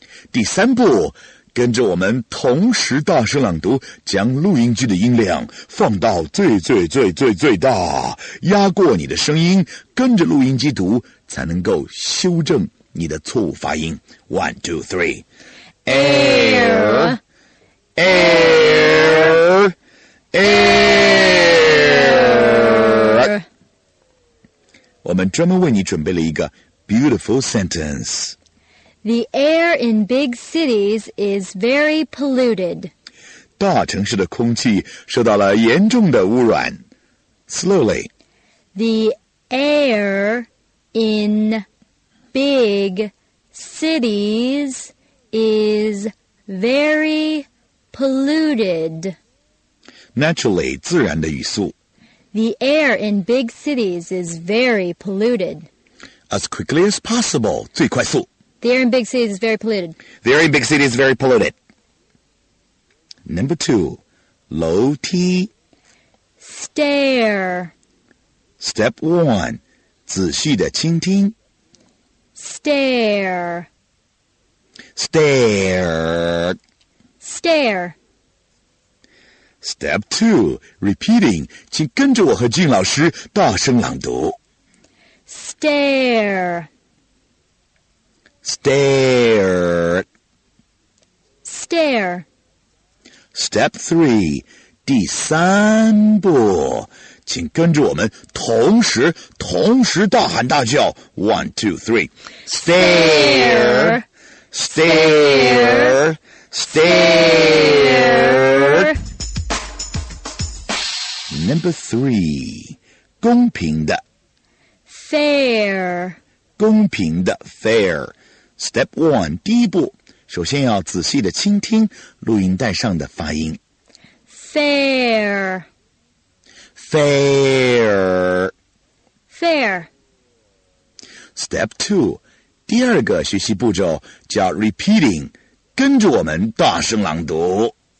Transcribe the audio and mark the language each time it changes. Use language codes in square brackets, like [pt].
[zh] 第三步，跟着我们同时大声朗读，将录音机的音量放到最最最最最大，压过你的声音，跟着录音机读，才能够修正你的错误发音。 [en] One, two, three. Air. Air. Air. [zh] 我们专门为你准备了一个 [en] beautiful sentence. The air in big cities is very polluted. [zh] 大城市的空气受到了严重的污染。 [en] Slowly. The air in big cities is very polluted. [zh] Naturally, 自然的语速。 [en] The air in big cities is very polluted. As quickly as possible, [zh] 最快速。 [en] The air in big cities is very polluted. The air in big cities is very polluted. Number two, [zh] 楼梯 [en] Stair. Step one, [zh] 仔细的倾听 [en] Stair. Stair. Stair. Step two, repeating, [zh] 请跟着我和静老师大声朗读 [en] Stair. Stare. Stare. Step three, [zh] 第三步，请跟着我们同时大喊大叫。 [en] One, two, three. Stare. Stare. Stare. Number three, [zh] 公平的 [en] Fair. [zh] 公平的 [en] Fair. Step one, [zh] 第一步，首先要仔细的倾听录音带上的发音。 [en] Fair. Fair. Fair. Step two, [zh] 第二个学习步骤叫 repeating, 跟着我们大声朗读。